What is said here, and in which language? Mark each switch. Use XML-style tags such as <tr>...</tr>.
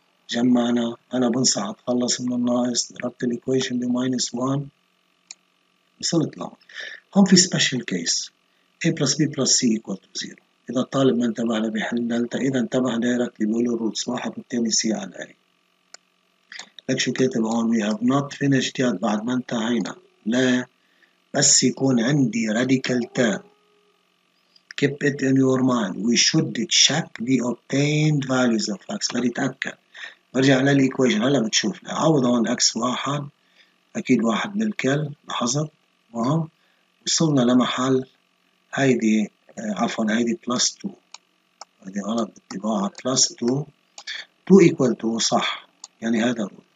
<ar>جمعنا، انا بنصح اتخلص من الناقص، ضربت الايكويشن بماينس 1 وصلت لهون. هون في سبيشال كيس،</ar> <en>A plus B plus C equal to zero,</en> <ar>اذا الطالب ما انتبه لبيحل دلتا، اذا انتبه دايركت بيقولوا روتس واحد والثاني سي على اي. لك شو كاتب هون؟</ar> <en>we have not finished yet,</en> <ar>بعد ما انتهينا. لا بس يكون عندي راديكال تيرم،</ar> <en>keep it in your mind we should check the obtained values of x</en> <ar>لنتأكد. برجع للإيكويشن هلا بتشوف، عوض هون x واحد أكيد واحد من الكل، لاحظت مهم وصلنا لمحل هيدي عفوا هيدي plus 2، هيدي غلط بالطباعة</ar> <en>plus 2 2 equal to</en> <ar>صح يعني هذا هو.</ar>